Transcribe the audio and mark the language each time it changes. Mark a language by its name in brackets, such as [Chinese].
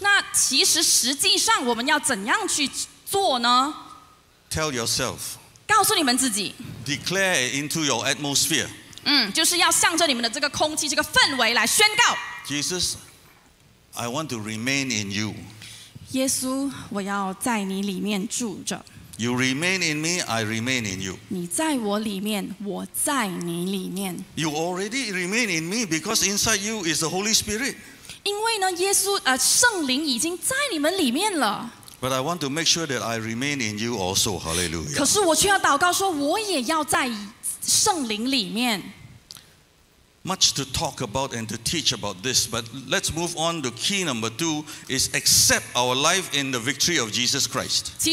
[Chinese] 那其实实际上我们要怎样去做呢？ [English] Tell yourself. [Chinese] 告诉你们自己。 [English] Declare into your atmosphere. [Chinese] 就是要向着你们的这个空气、这个氛围来宣告。 [English] Jesus, I want to remain in you. [Chinese] 耶稣，我要在你里面住着。 [English] You remain in me, I remain in you. [Chinese] 你在我里面，我在你里面。 [English] You already remain in me because inside you is the Holy Spirit. [Chinese] 因为呢，耶稣，圣灵已经在你们里面了。 [English] But I want to make sure that I remain in you also. Hallelujah. [Chinese] 可是我却要祷告说，我也要在圣灵里面。 [English] Much to talk about and to teach about this, but let's move on to key number two, is accept our life in the victory of Jesus Christ.